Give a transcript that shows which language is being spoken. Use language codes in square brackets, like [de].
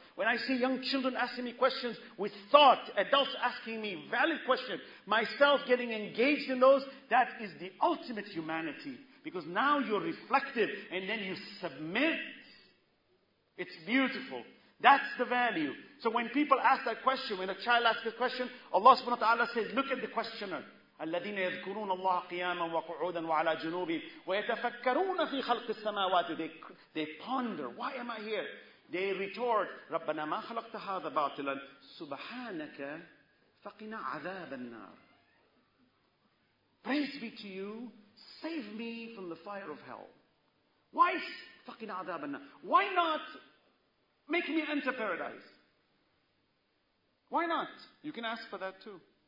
[en] When I see young children asking me questions with thought, adults asking me valid questions, myself getting engaged in those, that is the ultimate humanity. Because now you're reflective and then you submit. It's beautiful. That's the value. So when people ask that question, when a child asks a question, Allah subhanahu wa ta'ala says, look at the questioner. [ar] الَّذِينَ يَذْكُرُونَ اللَّهَ قِيَامًا وَقُعُودًا وَعَلَى جُنُوبِهِمْ وَيَتَفَكَّرُونَ فِي خَلْقِ السَّمَاوَاتِ [en] They ponder, why am I here? They retort, [ar] رَبَّنَا مَا خَلَقْتَ هَذَا بَاطِلًا سُبْحَانَكَ فَقِنَا عَذَابَ النَّارِ [en] Praise be to you, save me from the fire of hell. Why [ar] فَقِنَا عَذَابَ النَّارِ [en] Why not make me enter paradise? Why not? You can ask for that too.